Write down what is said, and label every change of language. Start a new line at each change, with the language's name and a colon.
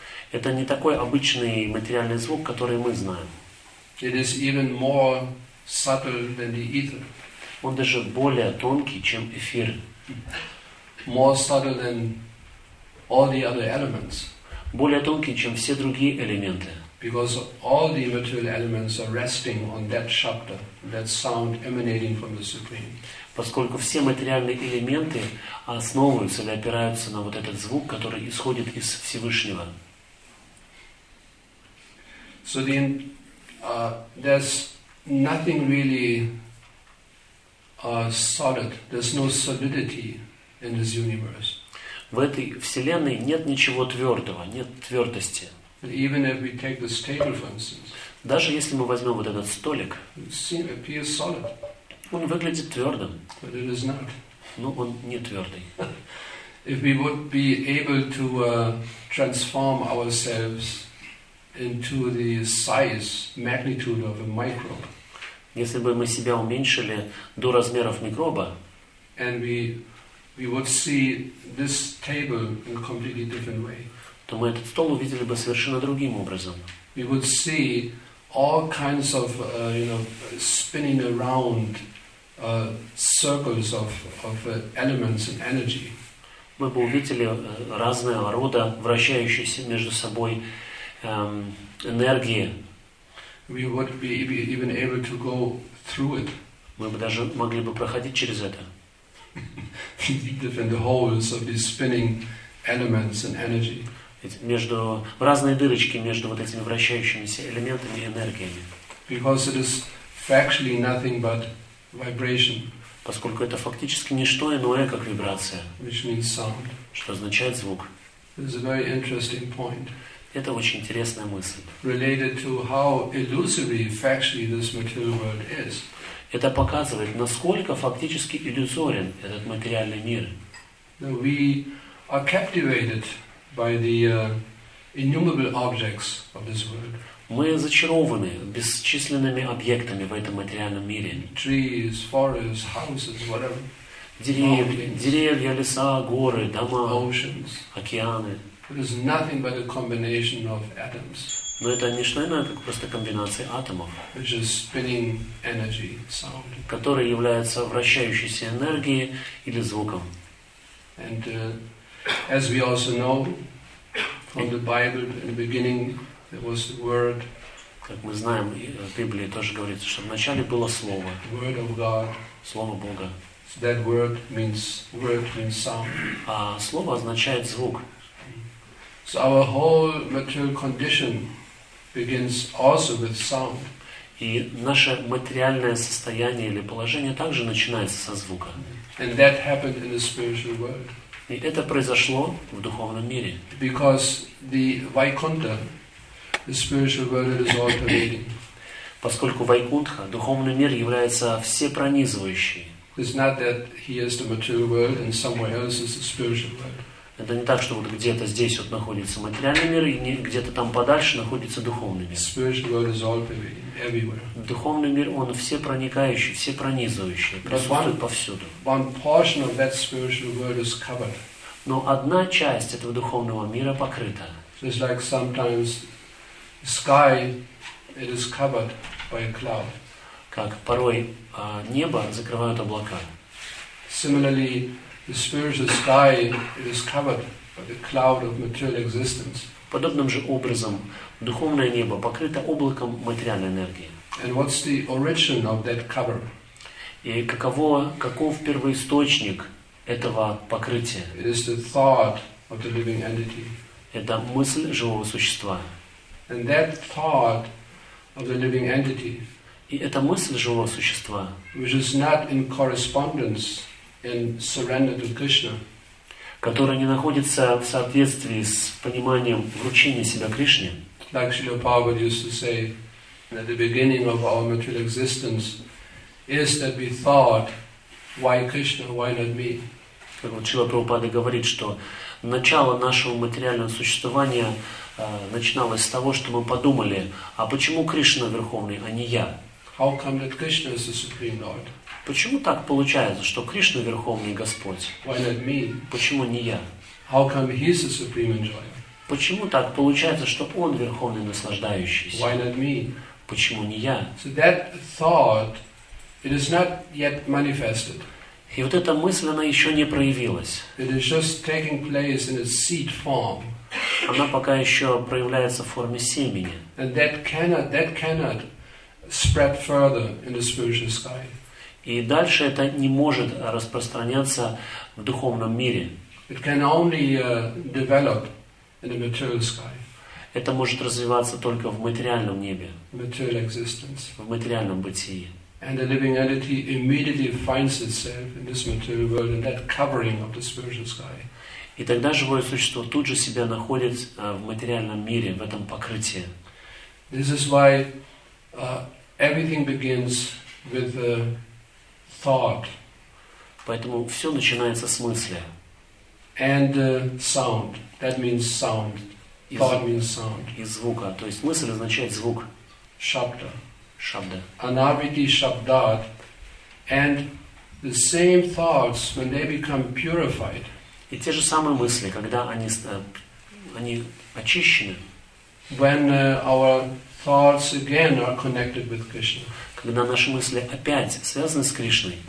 Russian: Это не такой обычный материальный звук, который мы знаем.
English: It is even more subtle than the ether.
Russian: Он даже более тонкий, чем эфир.
English: More subtle than all the other elements.
Russian: Более тонкий, чем все другие элементы.
English: Because all the material elements are resting on that shabda, that sound emanating from the Supreme.
Russian: Поскольку все материальные элементы основываются или опираются на вот этот звук, который исходит из Всевышнего.
English: So the there's nothing really solid. There's no solidity in this universe.
Russian: В этой вселенной нет ничего твердого, нет твердости.
English: Even if we take this table, for instance.
Russian: Даже если мы возьмем вот этот столик.
English: It appears solid.
Russian: Он выглядит твердым.
English: But it is not.
Russian: Но он не твердый.
English: If we would be able to transform ourselves into the size, magnitude of a microbe.
Russian: Если бы мы себя уменьшили до размеров микроба,
English: and we would see this table in a completely different way.
Russian: То мы этот стол увидели бы совершенно другим образом.
English: We would see all kinds of spinning around circles of elements and energy.
Russian: Мы бы увидели разного рода вращающиеся между собой энергии.
English: We would be even able to go through it.
Russian: Мы бы даже могли бы проходить через это.
English: Different holes of these spinning elements and energy.
Russian: Между разные дырочки между вот этими вращающимися элементами и энергиями.
English: Because it is factually nothing but vibration.
Russian: Поскольку это фактически не что иное, как вибрация.
English: Which means sound.
Russian: Что означает звук.
English: It's a very interesting point.
Russian: Это очень интересная мысль.
English: Related to how illusory factually this material world is.
Russian: Это показывает, насколько фактически иллюзорен этот материальный мир.
English: We are captivated by the innumerable objects of this world.
Russian: Мы зачарованы бесчисленными объектами в этом материальном мире.
English: Trees, forests, houses, whatever.
Russian: Деревья, леса, горы, дома,
English: oceans,
Russian: океаны.
English: It is nothing but a combination of atoms.
Russian: Но это не что иное, как просто комбинация атомов.
English: Which is spinning energy, sound.
Russian: Который является вращающейся энергией или звуком.
English: And as we also know from the Bible, in the beginning there was the Word.
Russian: Как мы знаем, в Библии тоже говорится, что вначале было Слово.
English: Word of God.
Russian: Слово Бога.
English: So that word means sound.
Russian: А слово означает звук.
English: So our whole material condition begins also with sound.
Russian: И наше материальное состояние или положение также начинается со звука.
English: And that happened in the spiritual world.
Russian: И это произошло в духовном мире.
English: Because the Vaikuntha, the spiritual world it is all pervading.
Russian: Поскольку Вайкунтха, духовный мир, является всепронизывающим.
English: It's not that he is the material world and somewhere else is the spiritual world.
Russian: Это не так, что вот где-то здесь вот находится материальный мир, и где-то там подальше находится духовный мир.
English: Spiritual world is all pervading, everywhere.
Russian: Духовный мир, он всепроникающий, всепронизывающий, присутствует повсюду.
English: One portion of that spiritual world is covered.
Russian: Но одна часть этого духовного мира покрыта.
English: So it's like sometimes the sky, it is covered by a cloud.
Russian: Как порой небо закрывают облака.
English: Similarly, the spiritual sky is covered by the cloud of material existence.
Russian: Подобным же образом духовное небо покрыто облаком материальной энергии.
English: And what's the origin of that cover?
Russian: И каков первоисточник этого покрытия?
English: It is the thought of the living entity.
Russian: Это мысль живого существа.
English: And that thought of the living entity.
Russian: И эта мысль живого существа.
English: Which is not in correspondence. And surrender to Krishna,
Russian: которая не находится в соответствии с пониманием вручения себя Кришне.
English: Like Srila Prabhupada used to say, that the beginning of our material existence is that we thought, why Krishna, why not me?
Russian: Как вот Шрила Прабхупада говорит, что начало нашего материального существования начиналось с того, что мы подумали, а почему Кришна Верховный, а не я?
English: How come that Krishna is the Supreme Lord?
Russian: Почему так получается, что Кришна Верховный Господь?
English: Why not me?
Russian: Почему не я?
English: How come he's the supreme enjoyer?
Russian: Почему так получается, что Он Верховный Наслаждающийся?
English: Why not me?
Russian: Почему не я?
English: So that thought, it is not yet manifested.
Russian: И вот эта мысль, она еще не проявилась.
English: It is just taking place in a seed form.
Russian: Она пока еще проявляется в форме семени.
English: And that cannot spread further in the spiritual sky.
Russian: И дальше это не может распространяться в духовном мире.
English: It can only develop in the material sky.
Russian: Это может развиваться только в материальном небе.
English: Material existence.
Russian: В материальном бытии.
English: And the living entity immediately finds itself in this material world in that covering of the spiritual sky.
Russian: И тогда живое существо тут же себя находит в материальном мире, в этом покрытии.
English: This is why everything begins with the thought.
Russian: Поэтому все начинается с мысли.
English: And sound. That means sound. Thought means sound.
Russian: И звука. То есть мысль означает звук. Шабда. Шабда.
Sanskrit: Анавити шабдат.
English: And the same thoughts, when they become purified.
Russian: И те же самые мысли, когда они очищены.
English: When our thoughts again are connected with Krishna.
Russian: Когда наши мысли опять связаны с Кришной,